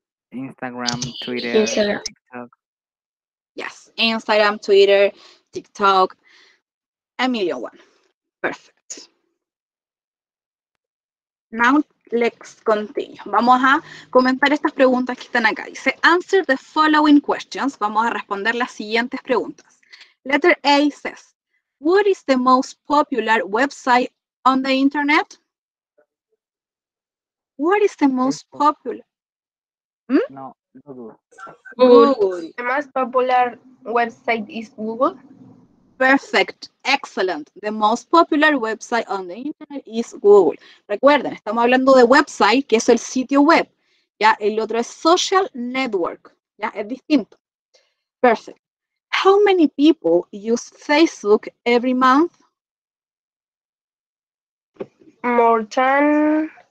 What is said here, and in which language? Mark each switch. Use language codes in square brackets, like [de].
[en] Instagram, Twitter, TikTok. Yes, Instagram, Twitter, TikTok, a million one. Perfect. Now, let's continue. [es] Vamos a comentar estas preguntas que están acá. Dice, [en] answer the following questions. [es] Vamos a responder las siguientes preguntas. [en] Letter A says, what is the most popular website on the internet? What is the most popular? Google. The most popular website is Google. Perfect, excellent. The most popular website on the internet is Google. [es] Recuerden, estamos hablando de website, que es el sitio web. Ya, el otro es social network. Ya, es distinto. [en] Perfect. How many people use Facebook every month? More than